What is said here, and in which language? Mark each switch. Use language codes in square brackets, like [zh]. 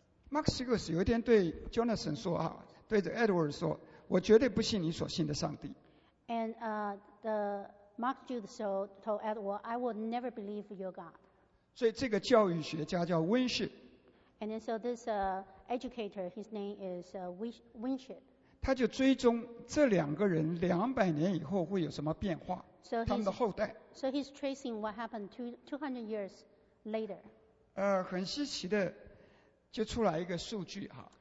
[zh] Mark Hughes 有一天对 Jonathan 说啊。对着 Edward 说，我绝对不信你所信的上帝。 [en] And the Mark Jude told Edward, I will never believe your God. [zh] 所以这个教育学家叫 Winship。 [en] And then so this educator, his name is Winship. [zh] 他就追踪这两个人200年以后会有什么变化， [en] so、 [zh] 他们的后代。 [en] So he's tracing what happened two hundred years later. [zh] 很稀奇的，就出来一个数据哈。